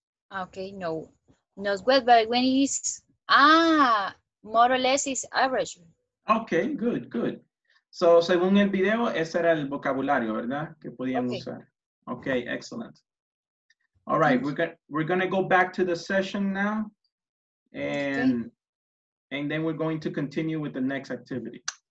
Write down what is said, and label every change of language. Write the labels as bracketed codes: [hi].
[en] Not well, but when it's more or less is average. Okay, good. [es] So según el video, ese era el vocabulario, ¿verdad? Que podían usar. [en] Okay, excellent. All right, we're gonna go back to the session now, and then we're going to continue with the next activity.